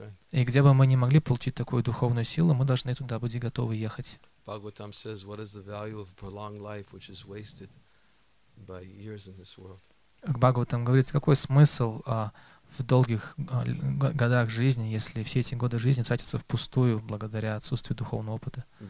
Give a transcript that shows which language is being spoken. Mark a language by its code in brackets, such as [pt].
[ru] И где бы мы ни могли получить такую духовную силу, мы должны туда быть готовы ехать. [en] Бхагаватам says, what is the value of prolonged life, which is wasted by years in this world? [ru] Бхагаватам говорит, какой смысл в долгих годах жизни, если все эти годы жизни тратятся впустую благодаря отсутствию духовного опыта.